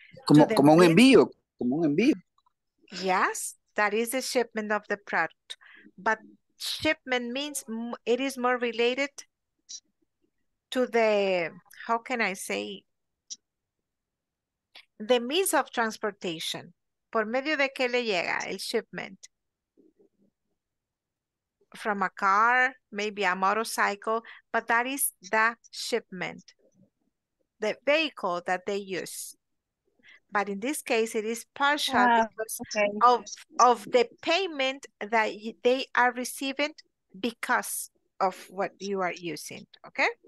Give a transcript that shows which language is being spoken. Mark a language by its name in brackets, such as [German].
[Spanish] como, to the como un envío, como un envío. [English] Yes, that is the shipment of the product. But shipment means it is more related to the, how can I say, the means of transportation. [Spanish] Por medio de que le llega el shipment. [English] From a car, maybe a motorcycle, but that is the shipment. The vehicle that they use. But in this case, it is partial of the payment that they are receiving because of what you are using, okay?